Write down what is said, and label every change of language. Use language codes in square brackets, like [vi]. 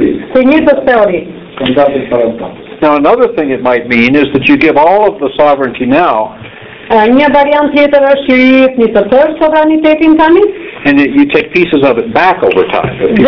[en] Now, another thing it might mean is that you give all of the sovereignty now. [sq] Një variant tjetër është që I jepni të tërë sovranitetin tani. [en] And you take pieces of it back over time.